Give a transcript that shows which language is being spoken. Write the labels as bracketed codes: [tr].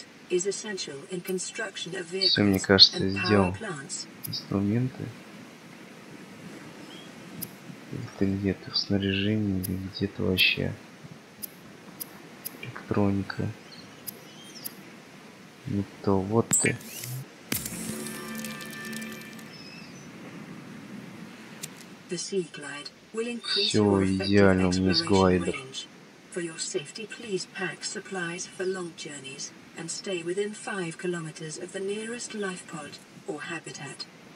[en] is essential in construction of vehicles. [ru] Все, мне кажется, я сделал инструменты. Это где-то в снаряжении или где-то вообще электроника. Ну то вот ты. Все идеально, у меня есть глайдер. [en] For your safety, please pack supplies for long journeys and stay within 5 kilometers of the nearest life pod or habitat.